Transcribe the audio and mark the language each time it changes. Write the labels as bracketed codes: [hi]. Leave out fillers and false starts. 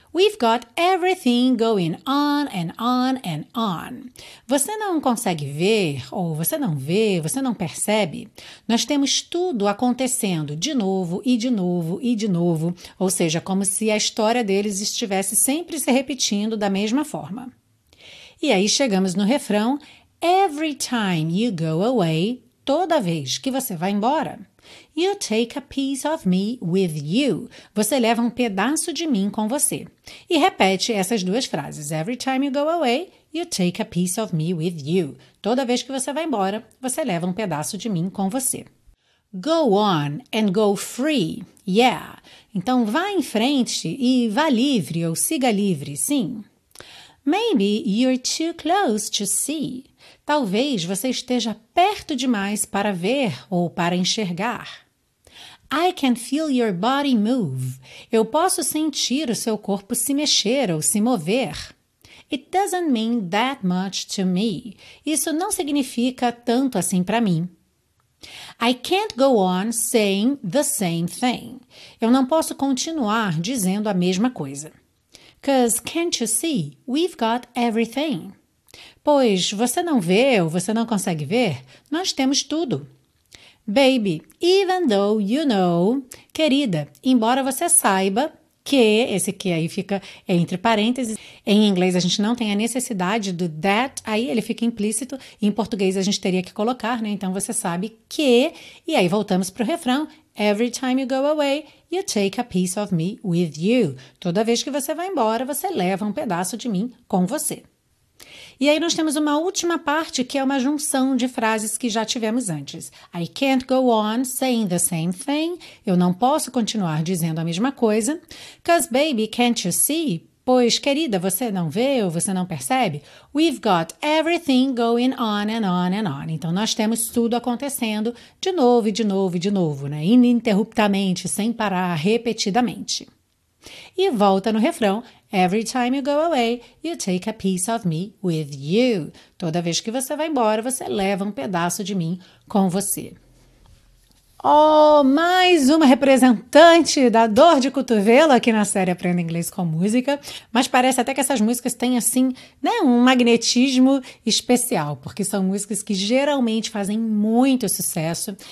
[en] We've got everything going on and on and on. [pt] Você não consegue ver, ou você não vê, você não percebe? Nós temos tudo acontecendo de novo e de novo e de novo, ou seja, como se a história deles estivesse sempre se repetindo da mesma forma. E aí chegamos no refrão, [en] Every time you go away, [pt] toda vez que você vai embora, [en] you take a piece of me with you. [pt] Você leva um pedaço de mim com você. E repete essas duas frases. [en] Every time you go away, you take a piece of me with you. [pt] Toda vez que você vai embora, você leva um pedaço de mim com você. [en] Go on and go free. Yeah. [pt] Então vá em frente e vá livre ou siga livre, sim. [en] Maybe you're too close to see. [pt] Talvez você esteja perto demais para ver ou para enxergar. [en] I can feel your body move. [pt] Eu posso sentir o seu corpo se mexer ou se mover. [en] It doesn't mean that much to me. [pt] Isso não significa tanto assim para mim. [en] I can't go on saying the same thing. [pt] Eu não posso continuar dizendo a mesma coisa. [en] 'Cause can't you see? We've got everything. [pt] Pois, você não vê ou você não consegue ver? Nós temos tudo. [en] Baby, even though you know, [pt] querida, embora você saiba que, esse que aí fica entre parênteses, em inglês a gente não tem a necessidade do that, aí ele fica implícito, e em português a gente teria que colocar, né? Então você sabe que, e aí voltamos para o refrão, [en] every time you go away, you take a piece of me with you. [pt] Toda vez que você vai embora, você leva um pedaço de mim com você. E aí nós temos uma última parte que é uma junção de frases que já tivemos antes. [en] I can't go on saying the same thing. [pt] Eu não posso continuar dizendo a mesma coisa. [en] 'Cause baby, can't you see? [pt] Pois, querida, você não vê ou você não percebe? [en] We've got everything going on and on and on. [pt] Então, nós temos tudo acontecendo de novo e de novo e de novo, né? Ininterruptamente, sem parar, repetidamente. E volta no refrão. [en] Every time you go away, you take a piece of me with you. [pt] Toda vez que você vai embora, você leva um pedaço de mim com você. Oh, mais uma representante da dor de cotovelo aqui na série Aprenda Inglês com Música. Mas parece até que essas músicas têm, assim, né, um magnetismo especial, porque são músicas que geralmente fazem muito sucesso.